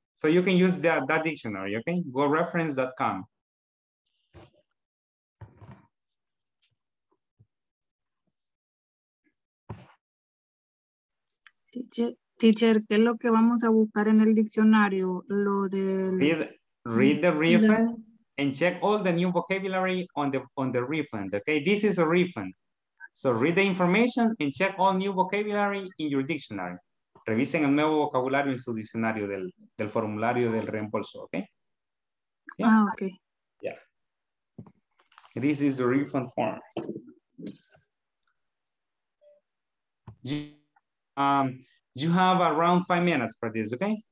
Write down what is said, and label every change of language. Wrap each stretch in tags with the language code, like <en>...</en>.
<en>So you can use that dictionary, okay? GoReference.com.</en> <es>Teacher, ¿qué es lo que vamos a buscar en el diccionario? Lo del...</es> <en>Read the refund and check all the new vocabulary on the refund, okay? This is a refund. So read the information and check all new vocabulary in your dictionary.</en> <es>Revisen el nuevo vocabulario en su diccionario del formulario del reembolso, ¿ok?</es> <en>Yeah. Ah, ok. Yeah. This is the refund form. You have around 5 minutes for this, ok?</en>